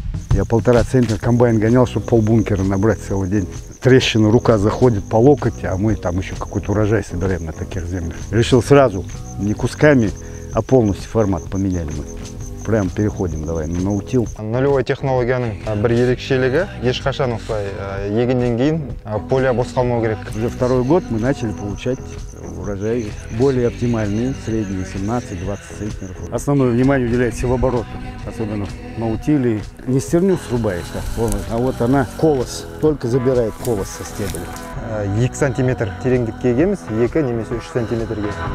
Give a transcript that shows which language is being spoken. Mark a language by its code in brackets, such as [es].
[ru] Я полтора центнера комбайн гонял, чтобы полбункера набрать целый день. Трещина, рука заходит по локоть, а мы там еще какой-то урожай собираем на таких землях. Решил сразу, не кусками, а полностью формат поменяли мы. Прям переходим давай на наутил. Нулевая технология. [kk] Бір ерекшелігі, ешқашан осылай егінден кейін поле босқалмау керек. [ru] Уже второй год мы начали получать урожай более оптимальный, средний, 17-20 центнеров. Основное внимание уделяется севобороту, особенно наутили. Не стерню срубаешь, а вот она колос, только забирает колос со стебля. [kk] 2 сантиметр тереңдікке егеміз, 2 немесе 3 сантиметрге.